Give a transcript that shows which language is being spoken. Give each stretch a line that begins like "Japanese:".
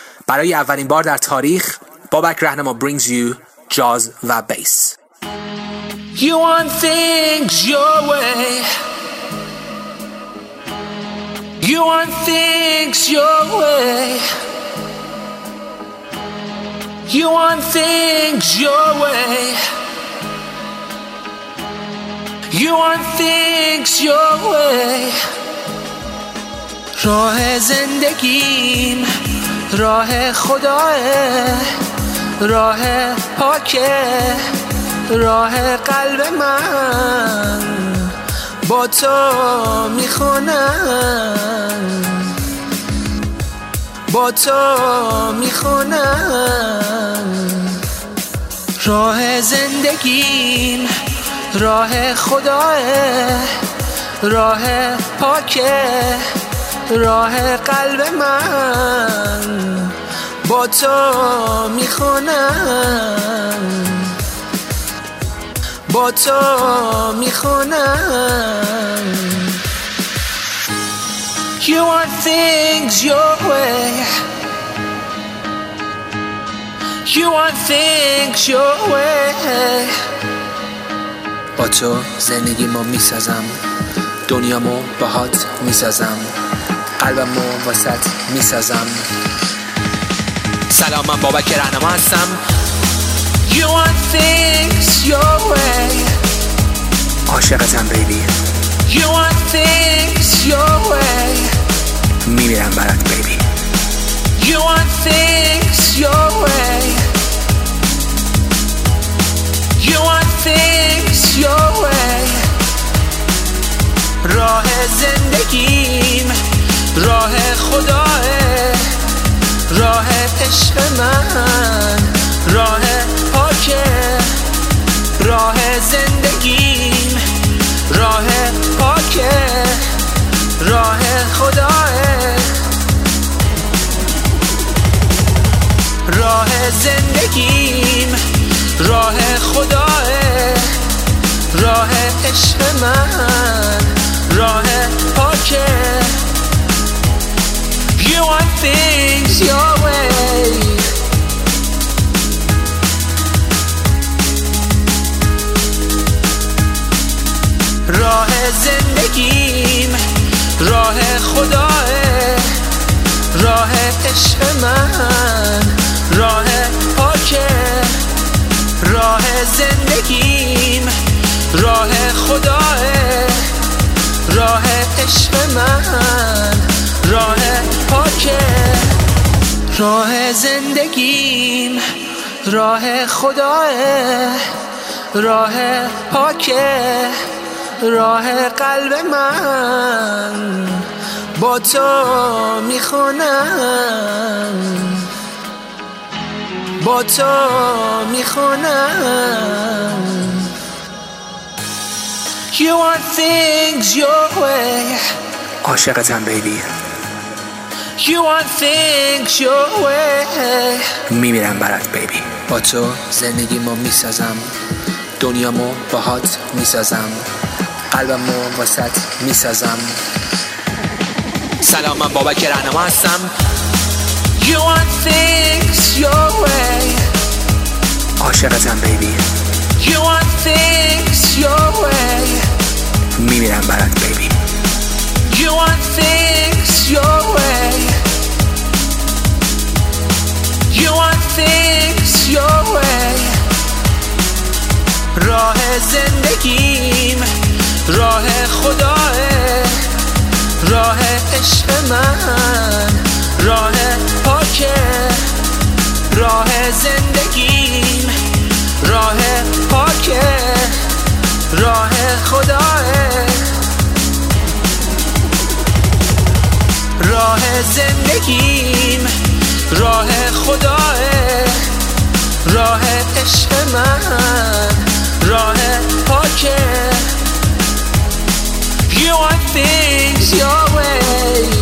Persian: برای اولین بار در تاریخ بابک رهنما
English: brings you jazz
Persian: و بیس.
English: You want things your way. You want things your way. You want things your way. You want things your way.
Persian: راه زندگیم راه خداه، راه پاکه، راه قلب من با تو میخونم، با تو میخونم. راه زندگیم راه خداه، راه پاکه، راه قلب من با تو میخونم، با تو میخونم.
English: You want things your way. You want things your way.
Persian: با تو زندگی ما میسازم، دنیا ما باهات میسازم، قلبم رو واسط میسازم. سلام، من بابک رهنما هستم.
English: You want things your way.
Persian: عاشقتم بیبی.
English: You want things your way.
Persian: میمیرم برات بیبی.
English: You want things your way. You want things your way.
Persian: راه زندگیم راه خداه، راه عشق من، راه پاکه، راه زندگیم، راه پاکه، راه خداه، راه زندگیم، راه خداه، راه عشق من، راه پاکه.
English: You want things your way.
Persian: راه زندگیم راه خداه، راه عشق من، راه پاکه، راه زندگیم راه خداه، راه عشق من، راه پاکه. راه زندگیم راه خداه، راه پاکه، راه قلب من با تو میخونم، با تو میخونم.
English: You want things your way.
Persian: عاشقتم بیبی.
English: You want things your way.
Persian: میمیرم برات بیبی. با تو زندگیمو میسازم، دنیامو باهات میسازم، قلبمو واسط میسازم. سلام، من بابک رهنما هستم.
English: You want things your way.
Persian: عاشقتم بیبی.
English: You want things your way.
Persian: میمیرم برات بیبی.
English: You want things your way. You want things your way.
Persian: راه زندگیم راه خداه، راه عشق من، راه پاکه، راه زندگیم راه پاکه، راه خداه، راه زندگیم راه خداه، راه عشق من، راه پاکه.
English: You want things your way.